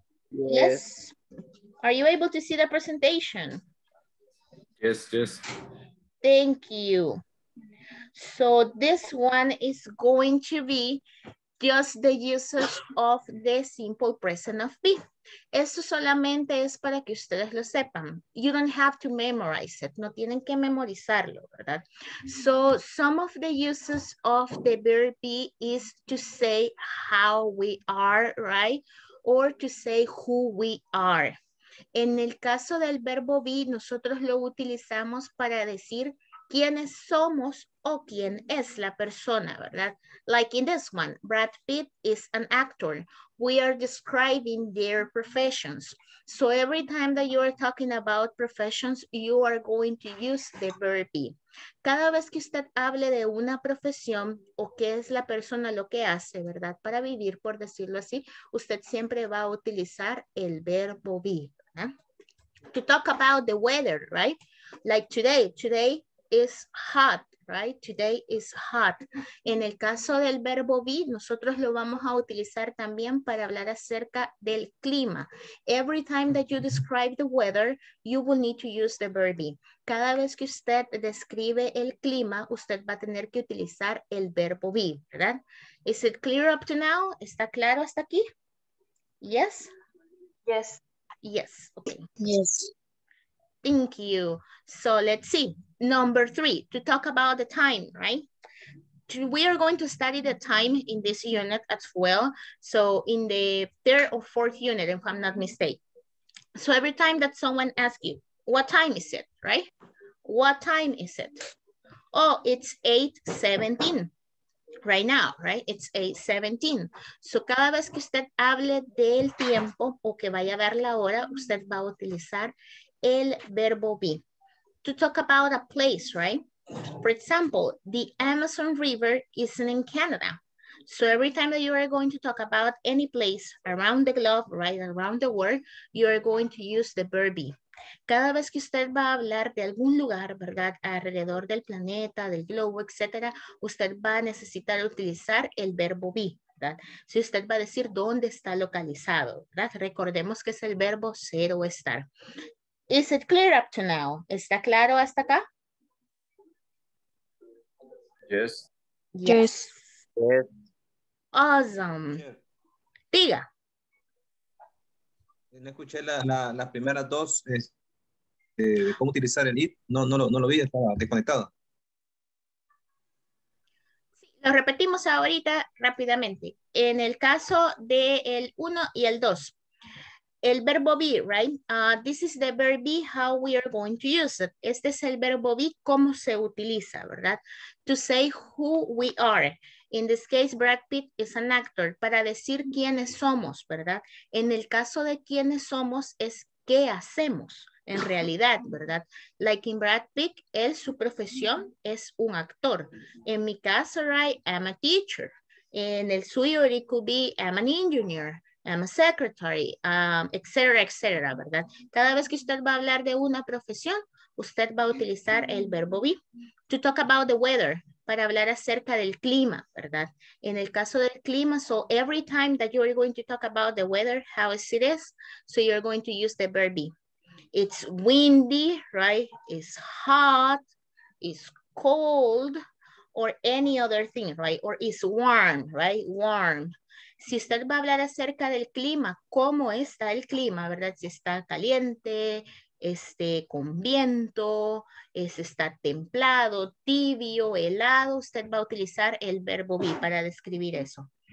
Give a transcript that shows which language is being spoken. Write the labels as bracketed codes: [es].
[en] Yes. Yes. Are you able to see the presentation? Yes, yes. Thank you. So this one is going to be just the uses of the simple present of be. [es] Eso solamente es para que ustedes lo sepan. [en] You don't have to memorize it. [es] No tienen que memorizarlo, ¿verdad? [en] So some of the uses of the verb be is to say how we are, right? Or to say who we are. [es] En el caso del verbo be, nosotros lo utilizamos para decir quiénes somos o quién es la persona, ¿verdad? [en] Like in this one, Brad Pitt is an actor. We are describing their professions. So every time that you are talking about professions, you are going to use the verb be. [es] Cada vez que usted hable de una profesión o qué es la persona lo que hace, ¿verdad? Para vivir, por decirlo así, usted siempre va a utilizar el verbo be. [en] To talk about the weather, right? Like today, today is hot, right? Today is hot. [es] En el caso del verbo be, nosotros lo vamos a utilizar también para hablar acerca del clima. [en] Every time that you describe the weather, you will need to use the verb be. [es] Cada vez que usted describe el clima, usted va a tener que utilizar el verbo be, ¿verdad? [en] Is it clear up to now? [es] ¿Está claro hasta aquí? [en] Yes? Yes. Yes. Okay. Yes. Thank you. So let's see. Number three, to talk about the time, right? We are going to study the time in this unit as well. So in the third or fourth unit, if I'm not mistaken. So every time that someone asks you, what time is it, right? What time is it? Oh, it's 8:17. Right now, right? It's 8:17. [es] So cada vez que usted hable del tiempo o que vaya a ver la hora, usted va a utilizar el verbo be. [en] To talk about a place, right? For example, the Amazon River isn't in Canada. So every time that you are going to talk about any place around the globe, right, around the world, you are going to use the verb be. [es] Cada vez que usted va a hablar de algún lugar, ¿verdad? Alrededor del planeta, del globo, etcétera, usted va a necesitar utilizar el verbo be, ¿verdad? Si usted va a decir dónde está localizado, ¿verdad? Recordemos que es el verbo ser o estar. [en] Is it clear up to now? [es] ¿Está claro hasta acá? [en] Yes. Yes. Awesome. [es] Diga. No escuché las primeras dos de cómo utilizar el it. No lo vi, estaba desconectado. Sí, lo repetimos ahorita rápidamente. En el caso del 1 y el 2, el verbo be, right? [en] This is the verb be, how we are going to use it. [es] Este es el verbo be, cómo se utiliza, ¿verdad? [en] To say who we are. In this case, Brad Pitt is an actor. [es] Para decir quiénes somos, ¿verdad? En el caso de quiénes somos, es qué hacemos en realidad, ¿verdad? [en] Like in [es] Brad Pitt, él, su profesión es un actor. En mi caso, [en] right, I'm a teacher. [es] En el suyo, [en] it could be, I'm an engineer. I'm a secretary, [es] etcétera, etcétera, ¿verdad? Cada vez que usted va a hablar de una profesión, usted va a utilizar el verbo be. [en] To talk about the weather, [es] para hablar acerca del clima, ¿verdad? En el caso del clima, [en] so every time that you're going to talk about the weather, how is it is, so you're going to use the verb be. It's windy, right? It's hot, it's cold, or any other thing, right? Or it's warm, right? Warm. [es] Si usted va a hablar acerca del clima, ¿cómo está el clima, verdad? Si está caliente, con viento, está templado, tibio, helado, usted va a utilizar el verbo be para describir eso.